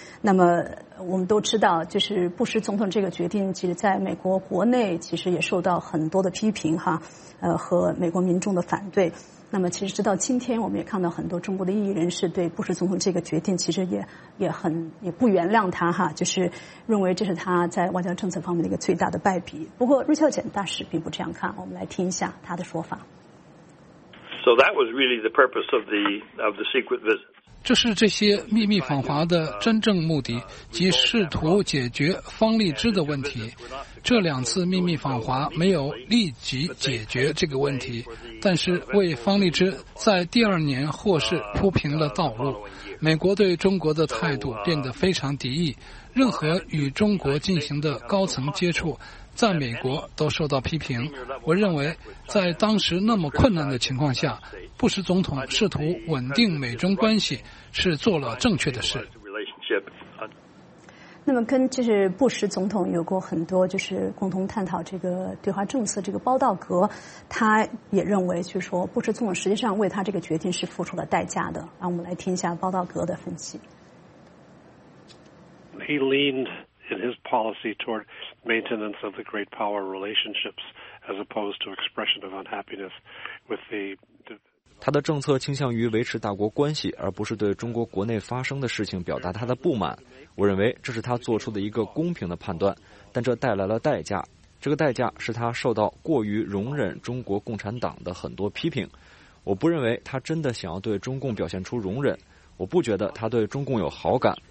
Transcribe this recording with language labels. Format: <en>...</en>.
<zh>那么我们都知道就是布什总统这个决定其实在美国国内其实也受到很多的批评哈，和美国民众的反对。那么其实直到今天我们也看到很多中国的异议人士对布什总统这个决定其实也不原谅他哈，就是认为这是他在外交政策方面的一个最大的败笔。不过瑞孝简大使并不这样看，我们来听一下他的说法。</zh> <en>So that was really the purpose of the secret visit.</en> <zh>这是这些秘密访华的真正目的，即试图解决方立之的问题。这2次秘密访华没有立即解决这个问题，但是为方立之在第2年获释铺平了道路。美国对中国的态度变得非常敌意，任何与中国进行的高层接触在美国都受到批评。我认为在当时那么困难的情况下，布什总统试图稳定美中关系是做了正确的事。那么跟就是布什总统有过很多就是共同探讨这个对华政策，这个包道格他也认为就是说布什总统实际上为他这个决定是付出了代价的。让我们来听一下包道格的分析。</zh> <en>He leaned in his policy toward maintenance of the great power relationships as opposed to expression of unhappiness with the...</en> <zh>他的政策倾向于维持大国关系，而不是对中国国内发生的事情表达他的不满。我认为这是他做出的一个公平的判断，但这带来了代价。这个代价是他受到过于容忍中国共产党的很多批评。我不认为他真的想要对中共表现出容忍，我不觉得他对中共有好感，</zh>